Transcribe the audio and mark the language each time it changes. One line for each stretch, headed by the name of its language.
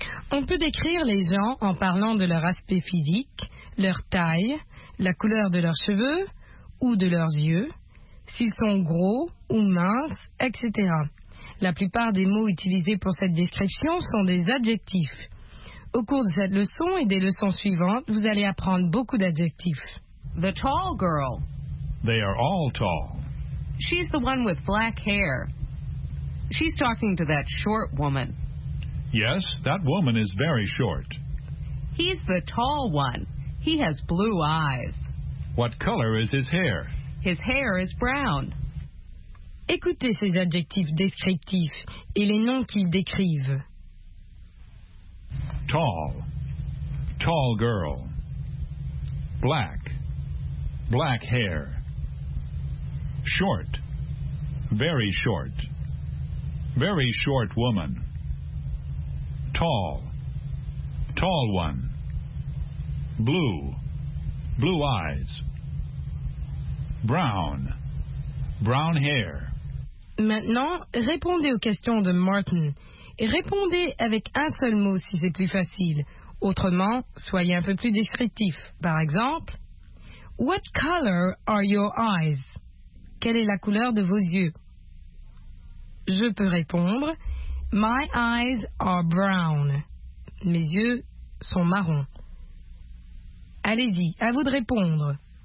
French: On peut décrire les gens en parlant de leur aspect physique, leur taille, la couleur de leurs cheveux ou de leurs yeux, s'ils sont gros ou minces, etc. La plupart des mots utilisés pour cette description sont des adjectifs. Au cours de cette leçon et des leçons suivantes, vous allez apprendre beaucoup d'adjectifs.
English: The tall girl. They are all tall. She's the one with black hair. She's talking to that short woman. Yes, that woman is very short. He's the tall one. He has blue eyes. What color is his hair? His hair is brown.
French: Écoutez ces adjectifs descriptifs et les noms qu'ils décrivent.
English: Tall. Tall girl. Black. Black hair. Short. Very short. Very short woman. Tall. Tall one. Blue. Blue eyes. Brown. Brown hair.
French: Maintenant, répondez aux questions de Martin. Répondez avec un seul mot si c'est plus facile. Autrement, soyez un peu plus descriptif. Par exemple,
English: What color are your eyes?
French: Quelle est la couleur de vos yeux? Je peux répondre,
English: My eyes are brown.
French: Mes yeux sont marrons. Allez-y, à vous de répondre.